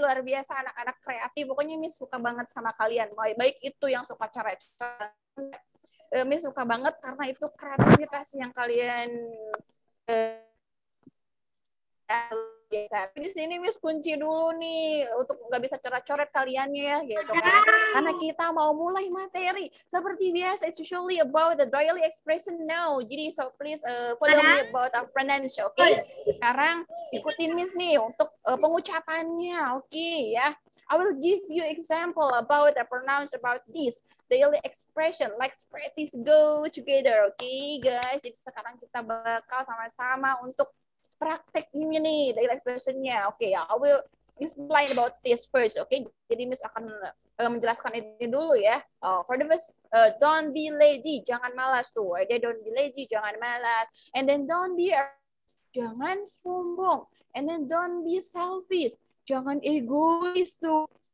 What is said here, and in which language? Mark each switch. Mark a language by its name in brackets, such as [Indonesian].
[Indonesian] Luar biasa anak-anak kreatif. Pokoknya Miss suka banget sama kalian. Baik itu yang suka coret-coret. Miss suka banget karena itu kreativitas yang kalian biasa. Di sini Miss kunci dulu nih untuk nggak bisa coret-coret kaliannya ya gitu kan. Karena kita mau mulai materi seperti biasa, [English] it's usually about the daily expression now. Jadi so please follow me about our pronunciation, oke? Okay? [Indonesian] Sekarang ikutin Miss nih untuk pengucapannya, oke okay, ya. [English] I will give you example about the pronunciation about this daily expression. Let's practice go together, oke okay, guys. [Indonesian] Jadi sekarang kita bakal sama-sama untuk prakteknya nih, daily expression-nya. [English] Oke, okay, I will explain about this first, oke? Okay? [Indonesian] Jadi Miss akan menjelaskan ini dulu ya. [English] For the first, don't be lazy, [Indonesian] jangan malas tuh. [English] Okay? Don't be lazy, [Indonesian] jangan malas. [English] And then don't be, [Indonesian] jangan sombong. [English] And then don't be selfish, [Indonesian] jangan egois tuh.